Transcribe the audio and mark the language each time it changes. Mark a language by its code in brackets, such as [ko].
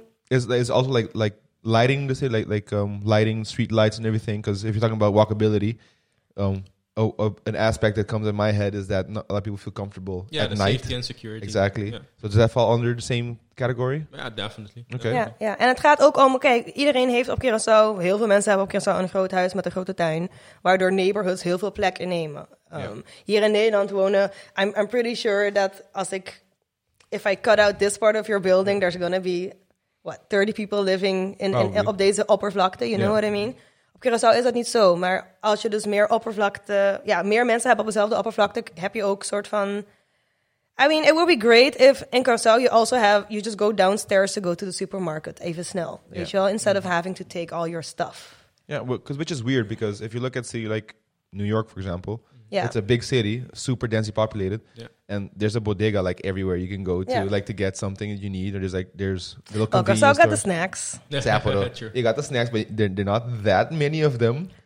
[en] It's also like lighting, they say, like lighting, street lights and everything. Because if you're talking about walkability, an aspect that comes in my head is that not a lot of people feel comfortable at the night. Safety and security. Exactly. Yeah. So does that fall under the same category? Yeah, definitely. Okay. Yeah. [nl] En het gaat ook om, kijk, iedereen heeft op Curaçao, heel veel mensen hebben op Curaçao een groot huis met een grote tuin, waardoor neighborhoods heel veel plek innemen. Hier in Nederland wonen, [en] I'm pretty sure that if I cut out this part of your building, there's going to be, 30 people living in [nl] op deze oppervlakte, [en] you know what I mean? [nl] Op Curaçao is dat niet zo, maar als je dus meer oppervlakte, meer mensen hebben op dezelfde oppervlakte, heb je ook soort van, [en] I mean, it would be great if in Curaçao you also have, you just go downstairs to go to the supermarket, [nl] even snel, weet je wel, [en] instead of having to take all your stuff. Yeah, which is weird, because if you look at, say, like, New York, for example, yeah, it's a big city, super densely populated, and there's a bodega, like, everywhere you can go to, like, to get something that you need, or there's little convenience stores. Curaçao got the snacks. Sapporo. You got the snacks, but they're not that many of them.